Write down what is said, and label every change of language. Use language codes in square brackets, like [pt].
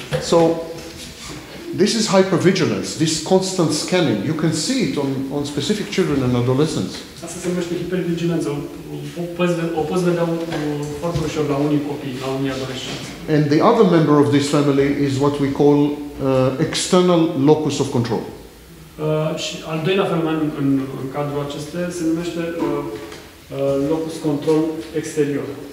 [en] So, this is hypervigilance, this constant scanning. You can see it on specific children and adolescents. [ro] Asta se numește hipervigilanță. O poți vedea foarte ușor la unii copii, la unii adolescenți. [en] And the other member of this family is what we call external locus of control. [ro] Și al doilea fel mai în cadrul acesta se numește locus control exterior.